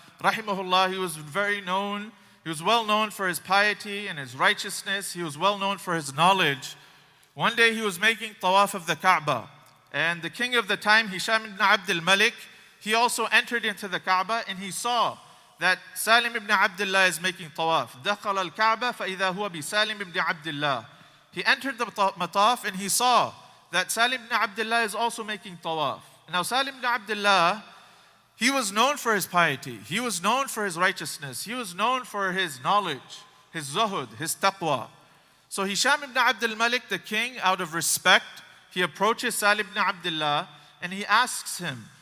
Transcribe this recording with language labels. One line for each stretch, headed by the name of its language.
English: Rahimahullah, he was very known. He was well known for his piety and his righteousness. He was well known for his knowledge. One day he was making tawaf of the Kaaba. And the king of the time, Hisham ibn Abdul Malik, he also entered into the Kaaba and he saw that Salim ibn Abdullah is making tawaf.
Arabic: دخل الكعبة فإذا هو بسالم ibn Abdullah.
English: He entered the mataf and he saw that Salim ibn Abdullah is also making tawaf. Now Salim ibn Abdullah, he was known for his piety. He was known for his righteousness. He was known for his knowledge, his zuhud, his taqwa. So Hisham ibn Abdul Malik, the king, out of respect, he approaches Salim ibn Abdullah and he asks him,